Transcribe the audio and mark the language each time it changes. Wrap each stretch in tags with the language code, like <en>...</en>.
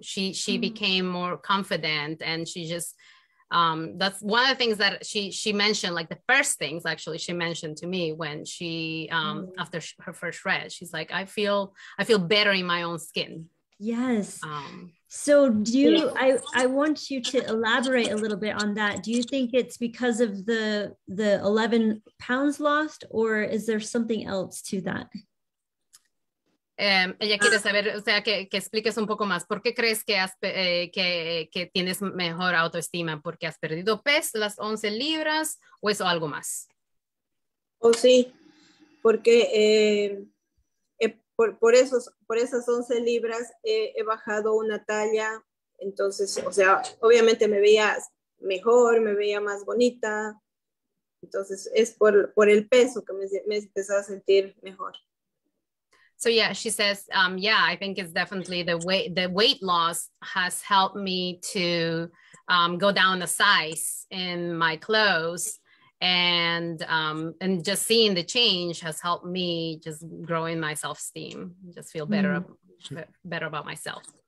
<en>She became more confident, and she just, that's one of the things that she mentioned, like the first things actually she mentioned to me when she after her first read, she's like, I feel better in my own skin. Yes. So I want you to elaborate a little bit on that. Do you think it's because of the 11 pounds lost, or is there something else to that?</en> <es>Ella quiere saber, o sea, que expliques un poco más. ¿Por qué crees que que tienes mejor autoestima? ¿Porque has perdido peso, las 11 libras, o eso algo más? Oh, sí, porque por esas 11 libras he bajado una talla Entonces, o sea, obviamente me veía mejor, me veía más bonita. Entonces, es por el peso que me empezaba a sentir mejor.</es> <en>So yeah, she says, yeah, I think it's definitely the weight loss has helped me to go down a size in my clothes, and just seeing the change has helped me just grow in my self-esteem, just feel better, better about myself.</en>